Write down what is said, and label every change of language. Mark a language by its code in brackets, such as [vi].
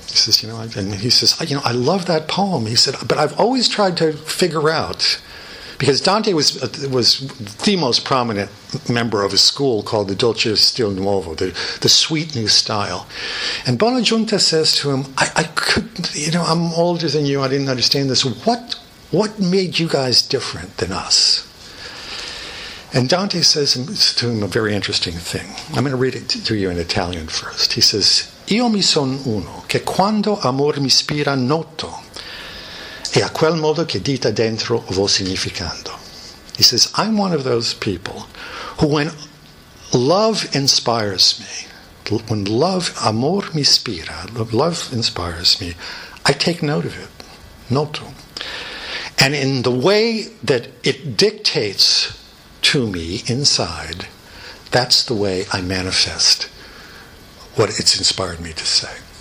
[en] He says, "You know," and he says, "You know, I love that poem." He said, "But I've always tried to figure out," because Dante was the most prominent member of a school called the Dolce Stil Nuovo, the sweet new style. And Bonaggiunta says to him, "I couldn't, you know, I'm older than you. I didn't understand this. What made you guys different than us?" And Dante says to him a very interesting thing. I'm going to read it to you in Italian first. He says, [it] "Io mi son uno che quando amor mi ispira noto e a quel modo che dita dentro vo significando." [en] He says, "I'm one of those people who when love inspires me, when love, [it] amor mi ispira, [en] love inspires me, I take note of it, noto. And in the way that it dictates to me inside, that's the way I manifest what it's inspired me to say."